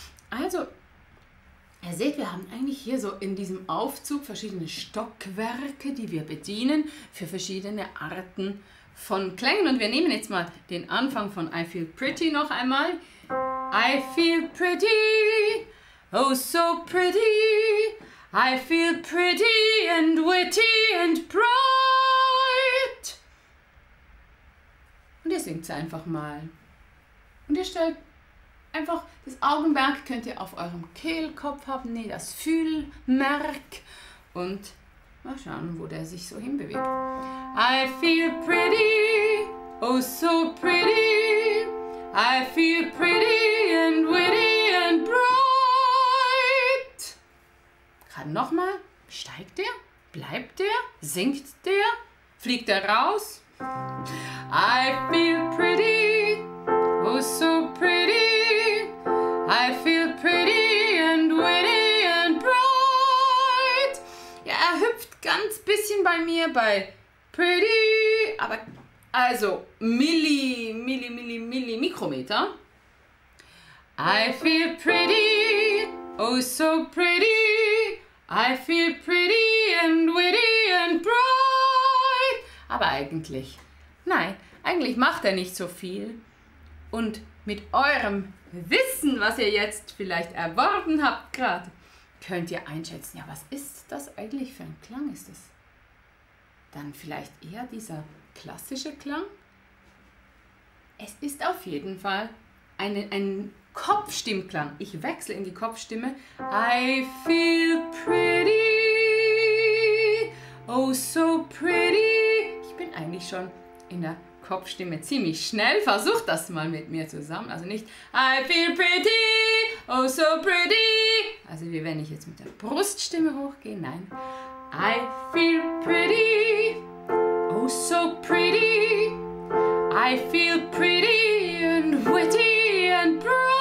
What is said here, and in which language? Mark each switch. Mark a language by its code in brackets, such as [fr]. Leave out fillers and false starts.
[de] Also, ihr seht, wir haben eigentlich hier so in diesem Aufzug verschiedene Stockwerke, die wir bedienen für verschiedene Arten von Klängen. Und wir nehmen jetzt mal den Anfang von I Feel Pretty noch einmal. [en] I feel pretty, oh so pretty. I feel pretty and witty and bright. [de] Und ihr singt es einfach mal. Und ihr stellt einfach das Augenmerk könnt ihr auf eurem Kehlkopf haben, nee, das Fühlmerk. Und mal schauen, wo der sich so hinbewegt. [en] I feel pretty, oh so pretty. I feel pretty and witty and bright. [de] Gerade nochmal, steigt der? Bleibt der? Sinkt der? Fliegt er raus? [en] I feel pretty, oh so pretty. I feel pretty and witty and bright. [de] Ja, er hüpft ganz bisschen bei mir bei pretty, aber also Mikrometer. [en] I feel pretty, oh so pretty. I feel pretty and witty and bright. [de] Aber eigentlich, nein, eigentlich macht er nicht so viel. Und mit eurem Wissen, was ihr jetzt vielleicht erworben habt gerade, könnt ihr einschätzen, ja, was ist das eigentlich für ein Klang? Ist es dann vielleicht eher dieser klassische Klang? Es ist auf jeden Fall ein Kopfstimmklang. Ich wechsle in die Kopfstimme. [en] I feel pretty, oh so pretty. [de] Ich bin eigentlich schon in der Kopfstimme ziemlich schnell. Versucht das mal mit mir zusammen. Also nicht [en] I feel pretty, oh so pretty. [de] Also wie wenn ich jetzt mit der Bruststimme hochgehe. Nein. [en] I feel pretty, oh so pretty. I feel pretty and witty and bright.